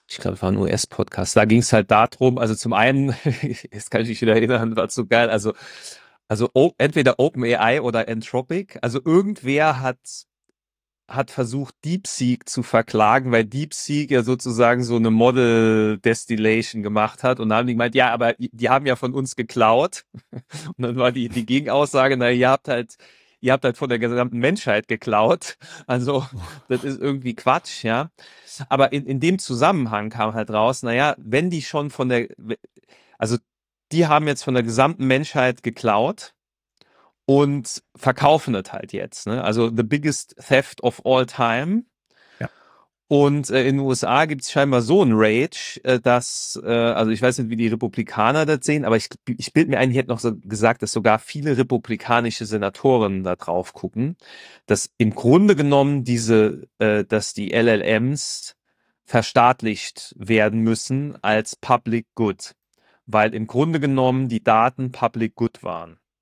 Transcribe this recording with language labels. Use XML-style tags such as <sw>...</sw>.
<de>Ich glaube, es war ein US-Podcast. Da ging es halt darum, also zum einen, jetzt kann ich mich wieder erinnern, war zu geil, also entweder OpenAI oder Anthropic, also irgendwer hat versucht, DeepSeek zu verklagen, weil DeepSeek ja sozusagen so eine Model-Destillation gemacht hat und da haben die gemeint, ja, aber die haben ja von uns geklaut und dann war die Gegenaussage, naja, ihr habt halt von der gesamten Menschheit geklaut. Also das ist irgendwie Quatsch, ja. Aber in dem Zusammenhang kam halt raus, naja, wenn die schon von der, also die haben jetzt von der gesamten Menschheit geklaut und verkaufen das halt jetzt, ne?</de> <en>Also the biggest theft of all time.</en> <de>Ja. Und in den USA gibt es scheinbar so einen Rage, dass, also ich weiß nicht, wie die Republikaner das sehen, aber ich bilde mir ein, ich hätte noch so gesagt, dass sogar viele republikanische Senatoren da drauf gucken, dass im Grunde genommen dass die LLMs verstaatlicht werden müssen als Public Good, weil im Grunde genommen die Daten Public Good waren.</de>